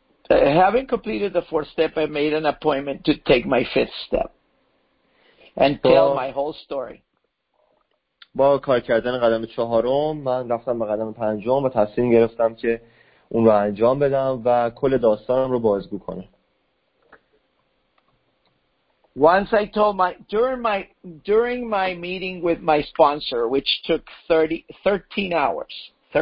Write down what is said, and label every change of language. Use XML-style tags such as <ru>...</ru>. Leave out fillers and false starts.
<en>Having completed the fourth step, I made an appointment to take my fifth step and tell my whole story.</en> <fa>با کار کردن قدم چهارم من رفتم به قدم پنجم و تصمیم گرفتم که اون رو انجام بدم و کل داستانم رو بازگو کنم.</fa> <en>Once I told my during my meeting with my sponsor, which took 13 hours.</en>